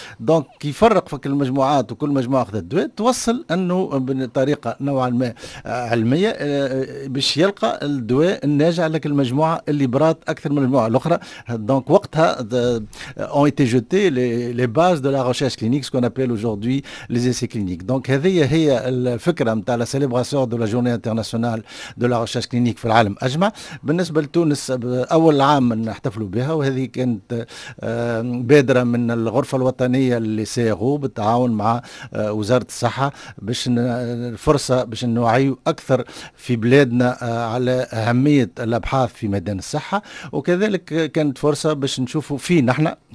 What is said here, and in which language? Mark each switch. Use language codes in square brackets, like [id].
[ar] دونك كي فرق فك المجموعات وكل مجموعه اخذت دواء, توصل انه بطريقه نوعا ما علميه باش يلقى الدواء الناجع لك المجموعه اللي برات اكثر من المجموعه الاخرى. دونك وقتها [fr] اون ايتي جوتي لي باز de la recherche clinique, ce qu'on appelle aujourd'hui les essais cliniques. Donc, [ar] هذه هي الفكرة نتاع [fr] la célébration de la journée internationale de la recherche clinique [ar] في العالم أجمع. بالنسبة لتونس أول عام نحتفلوا بها وهذه كانت بادرة من الغرفة الوطنية للسيغو بالتعاون مع وزارة الصحة باش الفرصة باش نوعيوا أكثر في بلادنا على أهمية الأبحاث في ميدان الصحة وكذلك كانت فرصة باش نشوفوا في نحن